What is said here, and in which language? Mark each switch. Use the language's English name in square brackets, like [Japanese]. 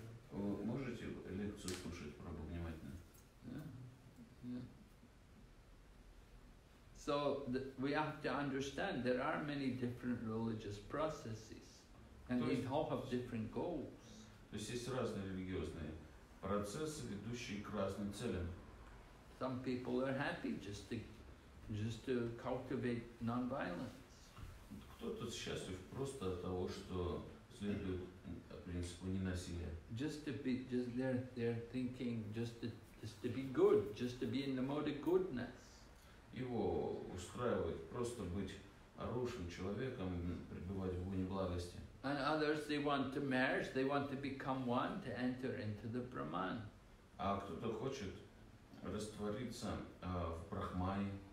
[Russian] Можете лекцию слушать, Прабху, внимательно? [English] So we have to understand there are many different religious processes, and they all have different goals. [Russian] То есть есть разные религиозные процессы, ведущие к разным целям. [English] Some people are happy just to cultivate non-violence. [Russian] Кто-то счастлив просто от того, что следует принципу ненасилия. [English] Just to be, just they're thinking, just to be good, just to be in the mode of goodness. [Russian] Его устраивает просто быть хорошим человеком, пребывать в гуне благости. [English] And others, they want to merge, they want to become one, to enter into the Brahman. [Russian] А кто-то хочет раствориться в Брахмане.